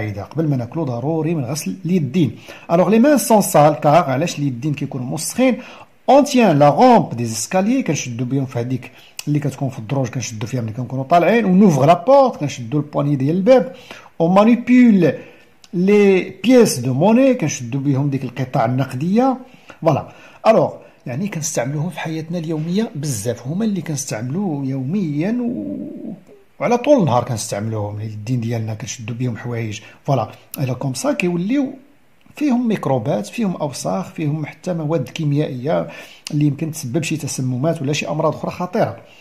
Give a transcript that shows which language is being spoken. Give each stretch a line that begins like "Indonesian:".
Arabic: قبل ما ناكلو ضروري من غسل اليدين.
French: Alors les mains sont sales car
Arabic: علاش اليدين كيكونوا مسخين.
French: On tient la rampe des escaliers
Arabic: كنشدو بهم في هذيك اللي كتكون في الدروج كنشدو فيها ملي كنكونوا طالعين.
French: On ouvre la porte
Arabic: كنشدو البواني ديال الباب.
French: On manipule les pièces de monnaie
Arabic: كنشدو بهم ديك القطع النقديه.
French: Voilà.
Arabic: Alors يعني كنستعملوهم في حياتنا اليوميه بزاف، هما اللي كنستعملوه يوميا و وعلى طول النهار كنستعملوهم اليدين ديالنا كنشدو بهم حوايج. فوالا الى كوم سا كيوليو فيهم ميكروبات، فيهم اوساخ، فيهم حتى مواد كيميائيه اللي يمكن تسبب شي تسممات ولا شي امراض اخرى خطيره.